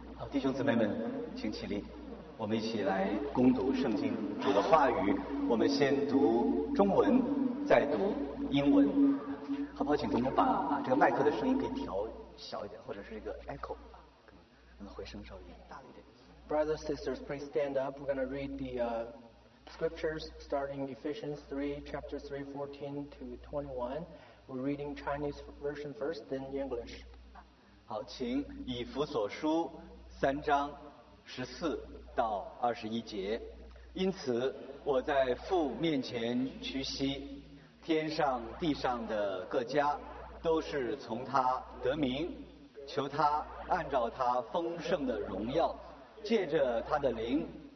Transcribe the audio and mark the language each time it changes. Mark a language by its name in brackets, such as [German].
[Chinese] 弟兄姊妹们请起立，我们一起来攻读圣经主的话语。我们先读中文，再读英文，好不好？请中文把这个麦克的声音可以调小一点，或者是这个 echo 可能回声稍微大一点。 [English] Brothers, sisters, please stand up. We're going to read the scriptures starting Ephesians 3, chapter 3, 14 to 21. We're reading Chinese version first, then English. [Chinese] 好，请以弗所书三章十四到二十一节。因此我在父面前屈膝，天上地上的各家都是从他得名，求他按照他丰盛的荣耀，借着他的灵，